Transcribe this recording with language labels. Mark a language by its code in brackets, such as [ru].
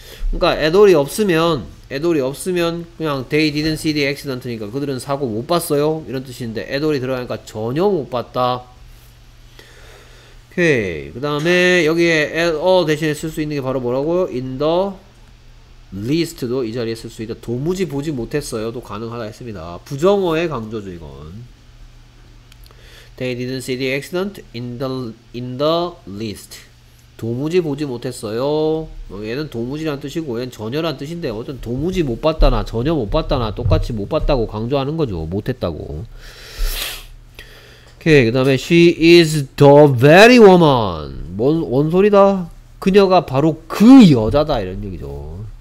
[ko] 그러니까 at all이 없으면 그냥 [en] They didn't see the accident [ko] 니까 그들은 사고 못 봤어요 이런 뜻인데 at all이 들어가니까 전혀 못 봤다. 오케이. 그 다음에 여기에 at all 대신에 쓸 수 있는 게 바로 뭐라고요? [en] in the least [ko] 도 이 자리에 쓸 수 있다. 도무지 보지 못했어요도 가능하다 했습니다. 부정어의 강조죠 이건. [en] They didn't see the accident in the least. [ko] 도무지 보지 못했어요. 얘는 도무지란 뜻이고 얘는 전혀란 뜻인데 어쨌든 도무지 못 봤다나 전혀 못 봤다나 똑같이 못 봤다고 강조하는 거죠. 못했다고. 오케이. 그 다음에 [en] She is the very woman. [ko] 뭔 소리다? 그녀가 바로 그 여자다 이런 얘기죠.